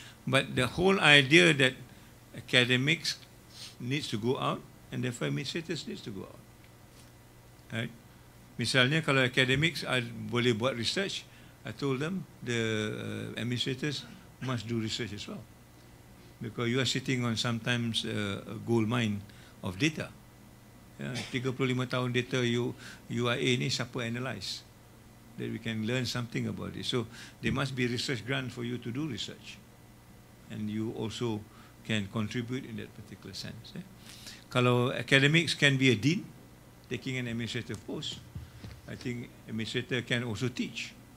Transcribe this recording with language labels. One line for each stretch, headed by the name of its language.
English: But the whole idea that academics needs to go out and therefore administrators needs to go out. Right?
Malay: Misalnya kalau academics boleh buat research,
English: I told them the administrators must do research as well. Because you are sitting on sometimes a gold mine of data.
Malay: Yeah, 35 tahun data UIA ni siapa analyze?
English: That we can learn something about it. So there must be research grant for you to do research. And you also can contribute in that particular sense. Eh? Kalau academics can be a dean, taking an administrative post, I think administrator can also teach.